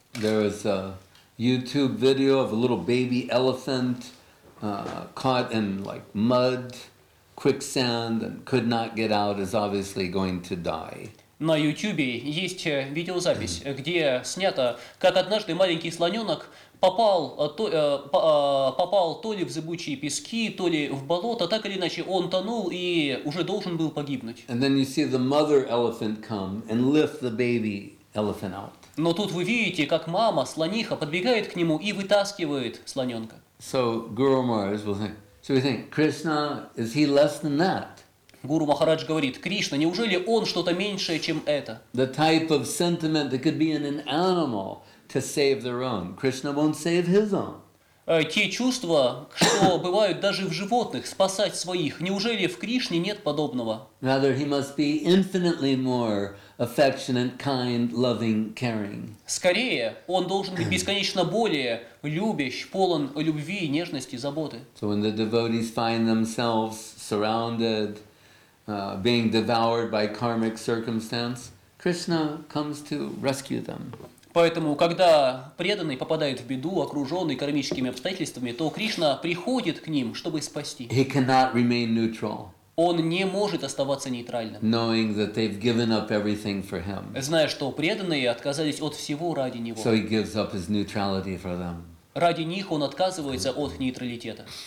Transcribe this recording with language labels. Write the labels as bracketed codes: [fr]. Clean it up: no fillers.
[en] There is a YouTube video of a little baby elephant caught in like mud, quicksand, and could not get out, is obviously going to die. [ru] На YouTube есть видеозапись, где снято, как однажды маленький слоненок попал то ли в зыбучие пески, то ли в болото, так или иначе, он тонул и уже должен был погибнуть. [en] And then you see the mother elephant come and lift the baby elephant out. [ru] Но тут вы видите, как мама слониха подбегает к нему и вытаскивает слоненка. [en] So Guru Maharaj will think. So we think, Krishna, is he less than that? [ru] Гуру Махарадж говорит, Кришна, неужели он что-то меньшее, чем это? [en] The type of sentiment that could be in an animal to save their own. Krishna won't save his own. [ru] Те чувства, что бывают даже в животных, спасать своих, неужели в Кришне нет подобного? [en] Rather, he must be infinitely more affectionate, kind, loving, caring. [ru] Скорее, он должен быть бесконечно более любящ, полон любви, нежности, заботы. [en] So when the devotees find themselves surrounded, being devoured by karmic circumstance, Krishna comes to rescue them. [ru] Поэтому, когда преданный попадает в беду, окруженный кармическими обстоятельствами, то Кришна приходит к ним, чтобы спасти. [en] He cannot remain neutral. [ru] Он не может оставаться нейтральным. [en] Knowing that they've given up everything for him. [ru] Зная, что преданные отказались от всего ради него. [en] So he gives up his neutrality for them. [ru] Ради них он отказывается от нейтралитета.